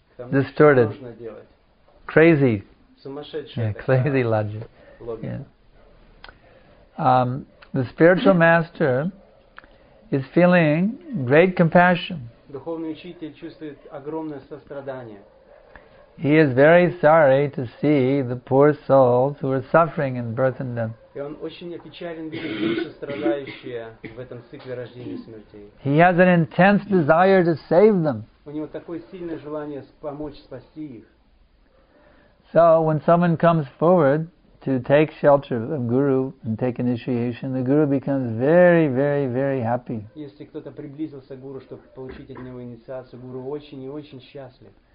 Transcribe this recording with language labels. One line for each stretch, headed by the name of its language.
English: Distorted.
Russian: Что нужно делать?
English: Crazy.
Russian: Сумасшедшая.
English: Yeah, crazy logic.
Russian: Логика.
English: The spiritual master is feeling great compassion.
Russian: Духовный учитель чувствует огромное сострадание.
English: He is very sorry to see the poor souls who are suffering in birth and death.
Russian: И он очень опечален видеть души, страдающие в этом цикле рождения и смерти.
English: He has an intense desire to save them.
Russian: У него такое сильное желание помочь, спасти их.
English: So when someone comes forward to take shelter of Guru and take initiation, the Guru becomes very, very, very happy.
Russian: Если кто-то приблизился к Гуру, чтобы получить от него инициацию, Гуру очень и очень счастлив.